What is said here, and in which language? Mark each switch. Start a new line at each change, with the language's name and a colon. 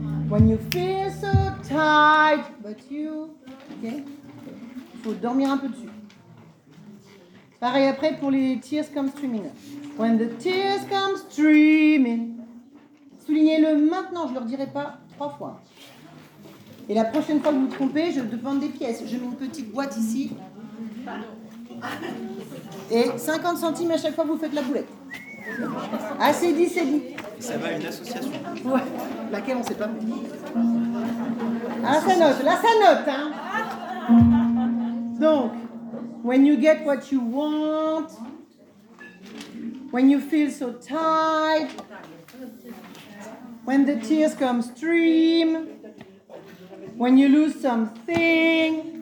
English: When you feel so tired, but you. Ok.
French: Il faut dormir un peu dessus. Pareil après pour les
English: tears come streaming. When the tears come streaming.
French: Soulignez-le maintenant, je ne le redirai pas trois fois. Et la prochaine fois que vous vous trompez, je demande des pièces. Je mets une petite boîte ici. Et 50 centimes à chaque fois que vous faites la boulette. Ah, c'est dit, c'est dit. Et ça va à une association. Ouais, laquelle on ne sait pas. Ah, ça note, là, ça note. Hein.
English: Donc, when you get what you want, when you feel so tired, when the tears come stream, when you lose something.